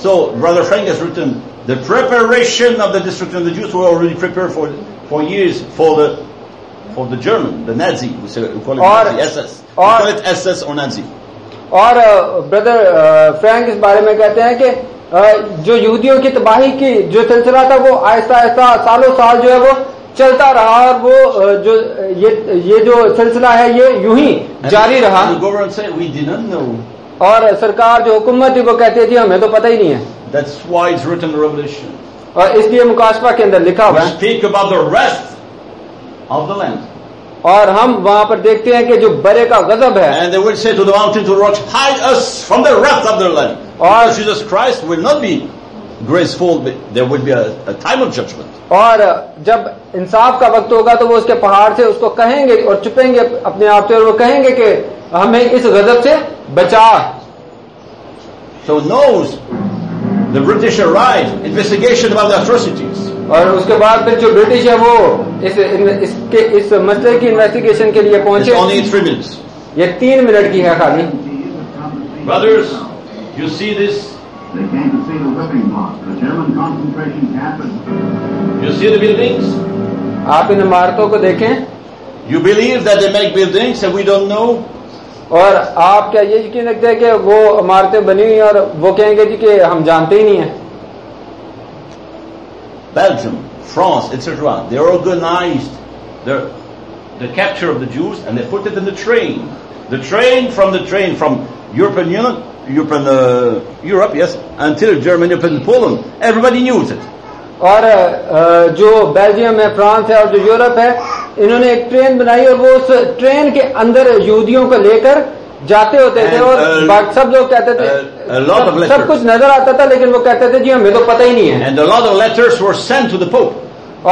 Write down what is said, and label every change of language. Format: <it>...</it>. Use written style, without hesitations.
<en>So Brother Frank has written the preparation of the destruction of the Jews were already prepared for years for the German, the Nazi. We call it SS or Nazi.</en> <hi>और Brother Frank इस बारे में कहते हैं कि जो यहूदियों की तबाही की जो सिलसिला था वो आहिस्ता आहिस्ता सालों साल जो है वो चलता रहा और वो जो ये जो सिलसिला है ये यूं ही जारी रहा.</hi> <en>The government said we didn't know.</en> <hi>और सरकार जो हुकूमत थी वो कहती थी हमें तो पता ही नहीं है.</hi> <en>That's why it's written in Revelation.</en> <hi>और इसलिए मुकाशफा के अंदर लिखा हुआ है.</hi> <en>We speak about the rest of the land.</en> <hi>और हम वहां पर देखते हैं कि जो बरे का गजब है.</hi> <en>And they would say to the mountains, to the rocks, hide us from the wrath of the land.</en> <hi>और</hi> <en>Jesus Christ will not be graceful, but there would be a time of judgment.</en> <hi>और जब इंसाफ का वक्त होगा तो वो उसके पहाड़ से उसको कहेंगे और छुपेंगे अपने आप से और वो कहेंगे कि हमें इस गजब से बचा.</hi> <en>So knows the British arrived, investigation about the atrocities.</en> <hi>और उसके बाद फिर जो ब्रिटिश है वो इस मसले की इन्वेस्टिगेशन के लिए पहुंचे.</hi> <en>It's only 3 minutes.</en> <hi>ये 3 मिनट की है खाली.</hi> <en>Brothers, you see this? They came to see the whipping pot, the German concentration camp. You see the buildings?</en> <hi>आप इन इमारतों को देखें.</hi> <en>You believe that they make buildings and we don't know?</en> <hi>और आप क्या ये यकीन रखते हैं कि वो इमारतें बनी हुई और वो कहेंगे जी कि हम जानते ही नहीं है.</hi> <en>Belgium, France, etc. They organized the capture of the Jews and they put it in the train. the train from the train from European Union, Europe, yes, until Germany, up in Poland. Everybody knew it.</en> <hi>और जो Belgium है France है और जो Europe है इन्होंने एक train बनाई और वो उस ट्रेन के अंदर यहूदियों को लेकर जाते होते थे और सब लोग कहते थे सब कुछ नजर आता था लेकिन वो कहते थे जी हमें तो पता ही नहीं है</hi> <en>and a lot of letters were sent to the pope</en>